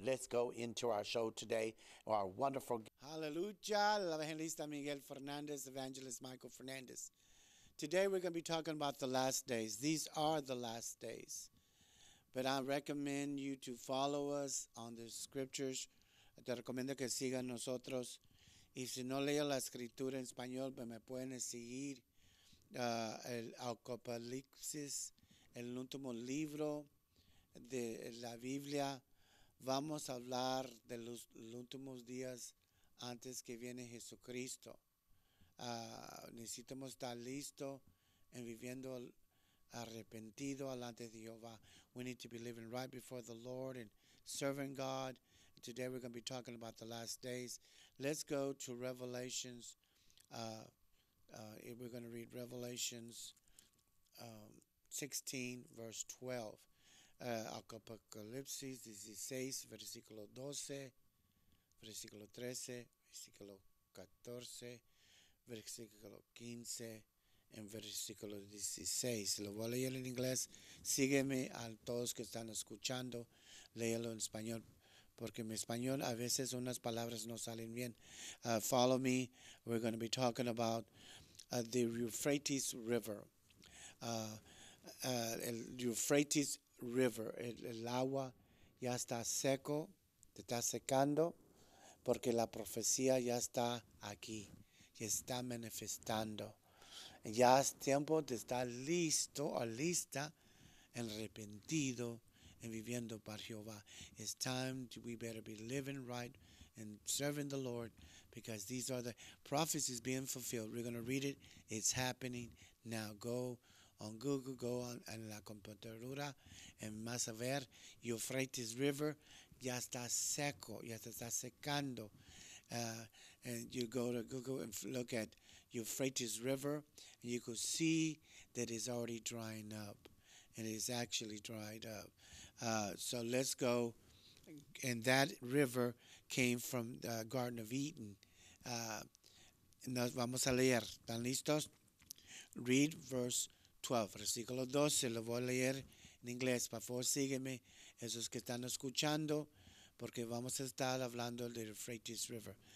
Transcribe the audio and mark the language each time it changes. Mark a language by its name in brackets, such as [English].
[English] Let's go into our show today, our wonderful [Spanish] Hallelujah. La Evangelista Miguel Fernandez, Evangelist Michael Fernandez. [English] Today we're going to be talking about the last days. These are the last days. But I recommend you to follow us on the scriptures. [Spanish] Te recomiendo que sigan nosotros. Y si no leo la escritura en español, pues me pueden seguir el Apocalipsis. El último libro de la Biblia, vamos a hablar de los últimos días antes que viene Jesucristo. Necesitamos estar listo en viviendo arrepentido alante de Jehová. [English] We need to be living right before the Lord and serving God. Today we're going to be talking about the last days. Let's go to Revelations. We're going to read Revelations 16, verse 12. [Spanish] Apocalipsis 16, versículo 12, versículo 13, versículo 14, versículo 15, and versículo 16. Lo voy a leer en inglés. Sígueme a todos que están escuchando. Léelo en español, porque en español a veces unas palabras no salen bien. [English] Follow me. We're going to be talking about the Euphrates River. [Spanish] El Euphrates River, el agua ya está seco, te está secando, porque la profecía ya está aquí, ya está manifestando. Ya es tiempo de estar listo o lista, arrepentido, en viviendo para Jehová. [English] It's time to, we better be living right and serving the Lord, because these are the prophecies being fulfilled. We're going to read it. It's happening now. Go on Google, go on [Spanish] la computadora, [English] and más a ver, Euphrates River, [Spanish] ya está seco, ya se está secando. [English] And you go to Google and look at Euphrates River, and you could see that it's already drying up, and it's actually dried up. So let's go, and that river came from the Garden of Eden. [Spanish] Nos vamos a leer, ¿están listos? [English] Read verse 12, [Spanish] versículo 12, lo voy a leer en inglés. Por favor, sígueme, esos que están escuchando, porque vamos a estar hablando del Euphrates River.